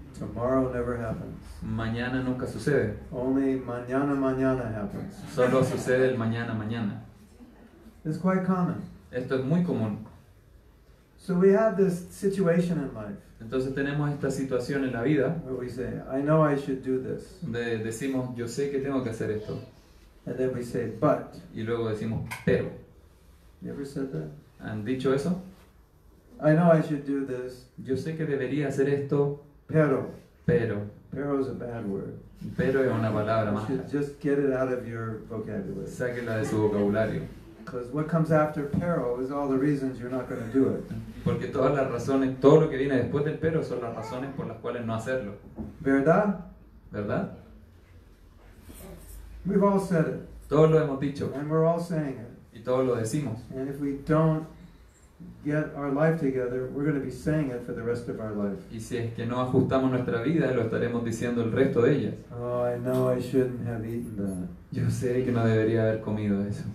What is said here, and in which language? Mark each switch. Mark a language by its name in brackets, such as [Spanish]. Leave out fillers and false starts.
[English] Tomorrow never happens. [Spanish] Mañana nunca sucede. [English] Only mañana happens. [Spanish] Solo sucede el mañana. [English] It's quite common. [Spanish] Esto es muy común. [English] So we have this situation in life. [Spanish] Entonces tenemos esta situación en la vida. [English] Where we say, I know I should do this. [Spanish] Decimos, yo sé que tengo que hacer esto. [English] And then we say, but. [Spanish] Y luego decimos, pero. [English] You ever said that? [Spanish] ¿Han dicho eso? [English] I know I should do this. [Spanish] Yo sé que debería hacer esto. Pero. Pero. [English] Pero is a bad word. [Spanish] Pero es una palabra mala. [English] Just get it out of your vocabulary. [Spanish] Sáquela de su vocabulario. [English] Because what comes after pero is all the reasons you're not going to do it. [Spanish] Porque todas las razones, todo lo que viene después del pero son las razones por las cuales no hacerlo. ¿Verdad? ¿Verdad? [English] We've all said it. [Spanish] Todos lo hemos dicho. [English] And we're all saying it. [Spanish] Y todos lo decimos. [English] And if we don't get our life together, we're going to be saying it for the rest of our life. [Spanish] Y si es que no ajustamos nuestra vida, lo estaremos diciendo el resto de ella. [English] Oh, I know I shouldn't have eaten that. [Spanish] Yo sé que no debería haber comido eso.